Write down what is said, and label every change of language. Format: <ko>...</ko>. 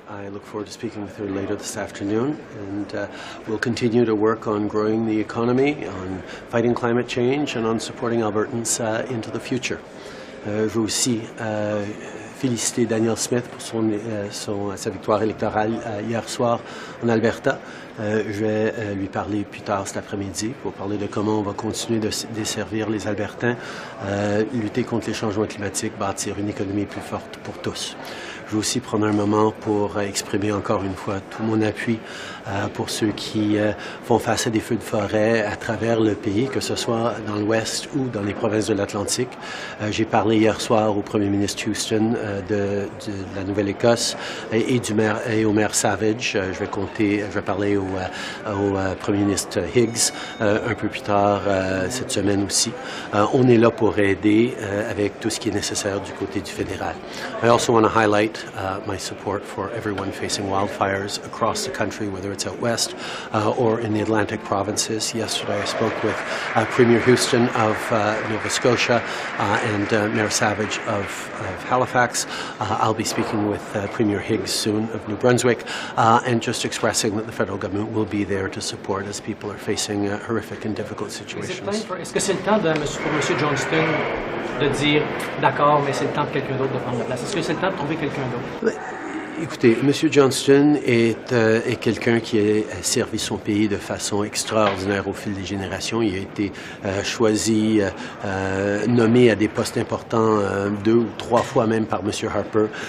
<en>I look forward to speaking with her later this afternoon, and we'll continue to work on growing the economy, on fighting climate change, and on supporting Albertans into the future.</en> <fr>Je veux aussi féliciter Danielle Smith pour sa victoire électorale hier soir en Alberta. Je vais lui parler plus tard cet après-midi pour parler de comment on va continuer de desservir les Albertains, lutter contre les changements climatiques, bâtir une économie plus forte pour tous. Je veux aussi prendre un moment pour exprimer encore une fois tout mon appui pour ceux qui font face à des feux de forêt à travers le pays, que ce soit dans l'Ouest ou dans les provinces de l'Atlantique. J'ai parlé hier soir au premier ministre Houston de la Nouvelle-Écosse et au maire Savage. Je vais parler au premier ministre Higgs un peu plus tard cette semaine aussi. On est là pour aider avec tout ce qui est nécessaire du côté du fédéral.</fr> <en>I also want to highlight my support for everyone facing wildfires across the country, whether it's out west or in the Atlantic provinces. Yesterday I spoke with Premier Houston of Nova Scotia and Mayor Savage of Halifax. I'll be speaking with Premier Higgs soon of New Brunswick and just expressing that the federal government will be there to support as people are facing horrific and difficult situations. Is it time for,</en> <fr>Monsieur Johnston de dire d'accord, mais c'est le temps de quelqu'un d'autre de prendre la place? Est-ce que c'est le temps de trouver quelqu'un d'autre? Écoutez, M. Johnston est quelqu'un qui a servi son pays de façon extraordinaire au fil des générations. Il a été choisi, nommé à des postes importants deux ou trois fois même par M. Harper.</fr>